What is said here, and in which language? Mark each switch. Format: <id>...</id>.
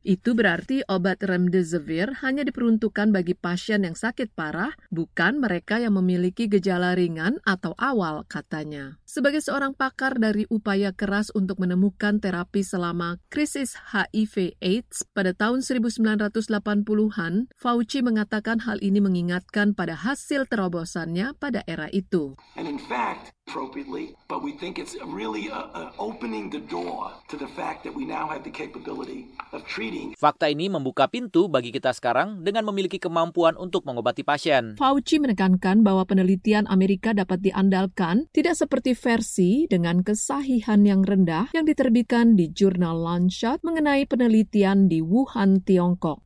<id>Itu berarti obat remdesivir hanya diperuntukkan bagi pasien yang sakit parah, bukan mereka yang memiliki gejala ringan atau awal, katanya. Sebagai seorang pakar dari upaya keras untuk menemukan terapi selama krisis HIV/AIDS pada tahun 1980-an, Fauci mengatakan hal ini mengingatkan pada hasil terobosannya pada era itu.</id> <en>And in fact, appropriately, but we think it's really opening the door to the fact that we now have the capability of treating.</en> <id>Fakta ini membuka pintu bagi kita sekarang dengan memiliki kemampuan untuk mengobati pasien. Fauci menekankan bahwa penelitian Amerika dapat diandalkan, tidak seperti versi dengan kesahihan yang rendah yang diterbitkan di jurnal Lancet mengenai penelitian di Wuhan, Tiongkok.</id>